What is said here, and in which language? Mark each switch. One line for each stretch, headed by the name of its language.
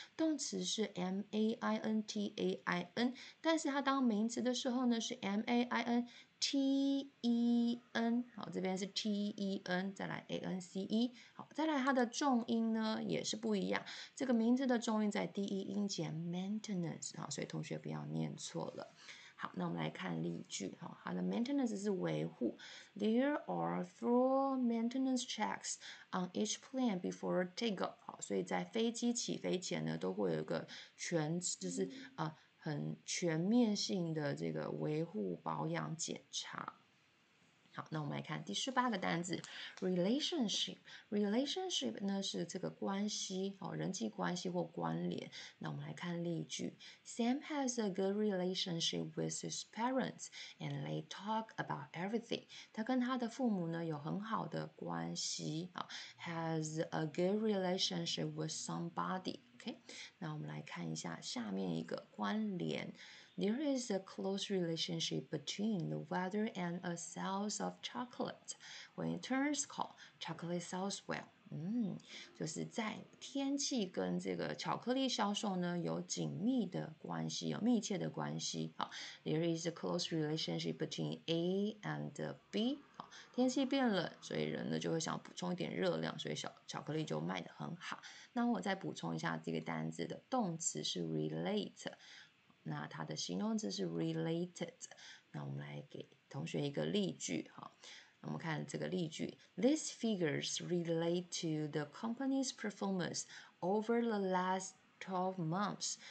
Chinese: 动词是 maintain， 但是它当名词的时候呢，是 mainten。好，这边是 ten， 再来 ance。好，再来它的重音呢也是不一样。这个名字的重音在第一音节 maintenance。好，所以同学不要念错了。好，那我们来看例句，它的 maintenance 是维护。
English: There are thorough maintenance checks on each plane before takeoff。
Chinese: 好，所以在飞机起飞前呢，都会有一个全，就是很全面性的这个维护保养检查。好，那我们来看第十八个单字 ，relationship。 relationship 呢是这个关系，人际关系或关联。
English: 那我们来看例句 ，Sam has a good relationship with his parents and they talk about everything。
Chinese: 他跟他的父母呢有很好的关系啊 ，
English: has a good relationship with somebody。
Chinese: OK， 那我们来看一下下面一个关联。
English: There is a close relationship between the weather and a sales of chocolate. When it turns cold, chocolate sells well.
Chinese: 就是在天气跟这个巧克力销售呢有紧密的关系，有密切的关系。
English: 好 ，There is a close relationship between A and B.
Chinese: 好，天气变冷，所以人呢就会想补充一点热量，所以巧克力就卖得很好。那我再补充一下这个单字的动词是 relate。那它的形容词是 related。那我们来给同学一个例句，我们看这个例句
English: These figures relate to the company's performance over the last 12 months。